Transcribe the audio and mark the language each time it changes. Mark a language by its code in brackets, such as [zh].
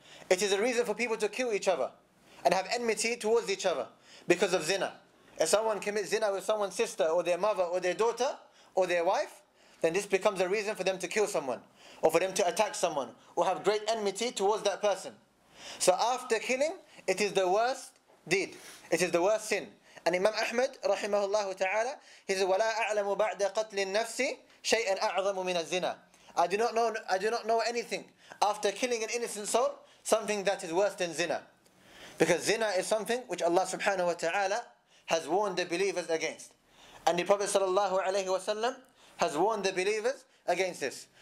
[en] It is a reason for people to kill each other and have enmity towards each other because of zina. If someone commits zina with someone's sister or their mother or their daughter or their wife, then this becomes a reason for them to kill someone or for them to attack someone or have great enmity towards that person. So after killing, it is the worst deed. It is the worst sin. And Imam Ahmad, rahimahullah ta'ala, he says, [ar] وَلَا أَعْلَمُ بَعْدَ قَتْلِ النَّفْسِ شَيْئًا أَعْظَمُ مِنَ الزِّنَى. [en] I do not know anything after killing an innocent soul, something that is worse than zina. Because zina is something which Allah subhanahu wa ta'ala has warned the believers against. And the Prophet sallallahu alayhi wa sallam has warned the believers against this.